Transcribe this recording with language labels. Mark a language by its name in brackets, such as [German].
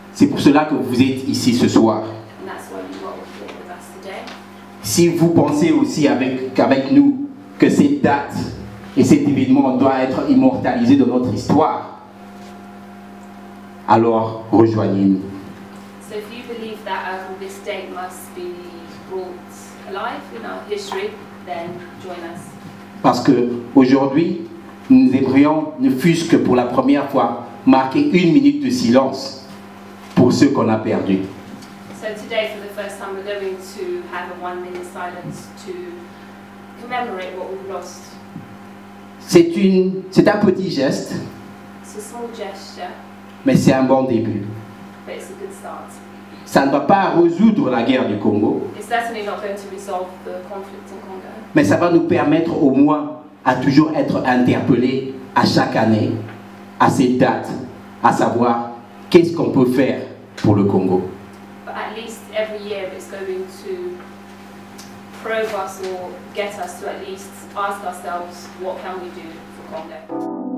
[French] C'est pour cela que vous êtes ici ce soir. [English] And that's why you are with us today. [French] Si vous pensez aussi avec nous que cette date et cet événement doit être immortalisé dans notre histoire, alors rejoignez-nous. [English] So if you believe that this date must be brought alive in our history, then join us. [French] Parce que aujourd'hui, nous aimerions, ne fût-ce que pour la première fois, marquer une minute de silence pour ceux qu'on a perdus. [English] So today, for the first time, we're going to have a 1 minute silence to commemorate what we've lost. [French] C'est un petit geste. [English] It's a small gesture. [French] Mais c'est un bon début. [English] But it's a good start. [French] Ça ne va pas résoudre la guerre du Congo. [English] It's certainly not going to resolve the conflict in Congo. [French] Mais ça va nous permettre au moins à toujours être interpellés à chaque année, à cette date, à savoir qu'est-ce qu'on peut faire pour le Congo. [English] But at least every year it's going to probe us or get us to at least ask ourselves what can we do for Congo.